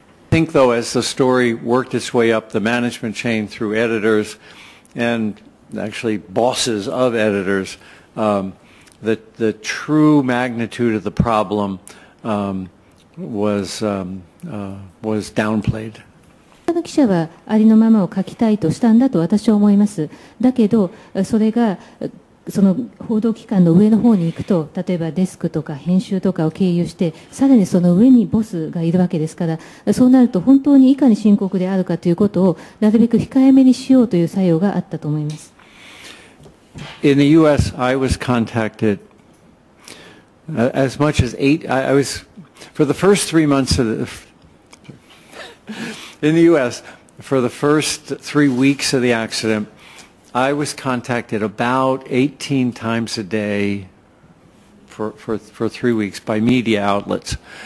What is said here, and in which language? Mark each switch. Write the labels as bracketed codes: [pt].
[en] I think, though, as the story worked its way up the management chain through editors and actually bosses of editors, the true magnitude of the problem was downplayed. [ja] 他の記者はありのままを書きたいとしたんだと私は思います。だけど、それがその報道機関の上の方に行くと、例えばデスクとか編集とかを経由して、さらにその上にボスがいるわけですから、そうなると本当にいかに深刻であるかということをなるべく控えめにしようという作用があったと思います。 [en] In the US, I was contacted as much as eight. I was for the first three months of the. In the U.S., for the first three weeks of the accident, I was contacted about 18 times a day for 3 weeks by media outlets.